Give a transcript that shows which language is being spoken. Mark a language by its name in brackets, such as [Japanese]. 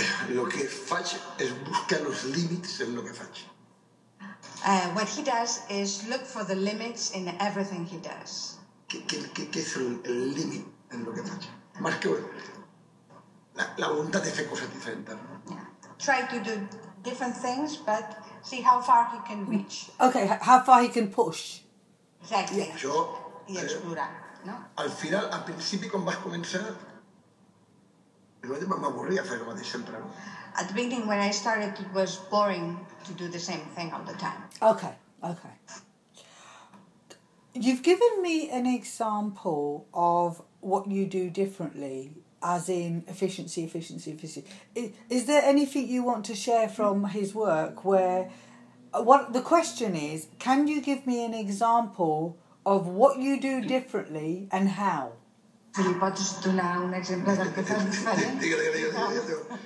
[Spanish] Lo que faig es buscar los límites en lo que faig. [English] What he does is look for the limits in everything he does. [Spanish] qué es el límite en lo que has hecho. Más que la voluntad de hacer cosas diferentes, ¿no? [English] Try to do different things, but see how far he can reach. Okay, how far he can push. Exactly. Yeah. [Spanish] Yo, y explorar, ¿no? Al final, al principio, cuando vas a comenzar, me aburría hacer lo de siempre, ¿no? [English] At the beginning, when I started, it was boring to do the same thing all the time. Okay, okay. You've given me an example of what you do differently, as in efficiency. Is there anything you want to share from his work where... What the question is, can you give me an example of what you do differently and how? [Spanish] Sí, ¿puedes dar un ejemplo de lo que estás diferente?